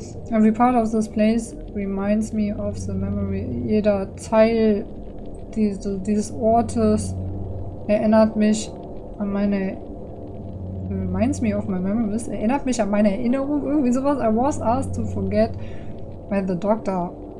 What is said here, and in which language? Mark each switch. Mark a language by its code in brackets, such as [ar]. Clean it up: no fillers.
[en] Every part of this place reminds me of the memory. [de] Jeder Teil dieses Ortes erinnert mich an meine... [en] Reminds me of my memory. [de] Erinnert mich an meine Erinnerung. Irgendwie sowas. [en] I was asked to forget by the doctor.